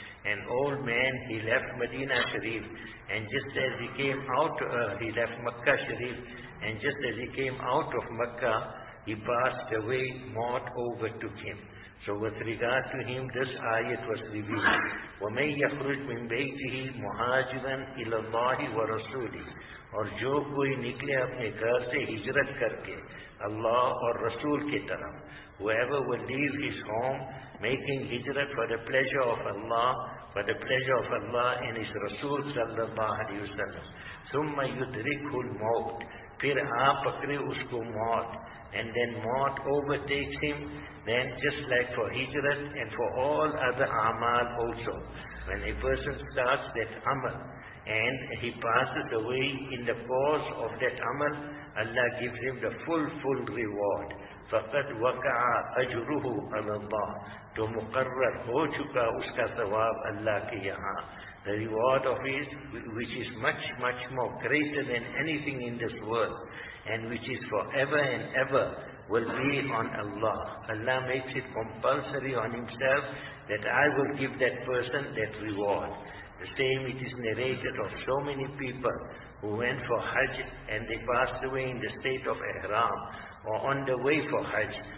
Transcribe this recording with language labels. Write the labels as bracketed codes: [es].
[en] An old man, he left Medina Sharif, and just as he came out, he left Makkah Sharif, and just as he came out of Makkah, he passed away, mort overtook him. So with regard to him, this ayat was revealed. [ar] وَمَنْ يَخْرُجْ مِنْ بَيْتِهِ مُحَاجِبًا إِلَى اللَّهِ وَرَسُولِهِ. [ur] اور جو کوئی نکلے اپنے گھر سے ہجرت کر کے اللہ اور رسول کی طرف. [en] Whoever will leave his home, making hijrat for the pleasure of Allah, for the pleasure of Allah and His Rasul sallallahu alayhi wa sallam. [ar] ثُمَّ يُدْرِكُ الْمَوْتِ. [ur] پھر آپ پکرے اس کو موت. [en] And then موت overtakes him, then just like for hijrat and for all other amal also. When a person starts that amal and he passes away in the course of that amal, Allah gives him the full reward. [ar] فقد وقع اجره على الله, [ur] تو مقرر ہو چکا اس کا ثواب اللہ کے یہاں. [en] The reward of his which is much much more greater than anything in this world and which is forever and ever will be on Allah. Allah makes it compulsory on himself that I will give that person that reward. The same it is narrated of so many people who went for Hajj and they passed away in the state of Ihram or on the way for Hajj.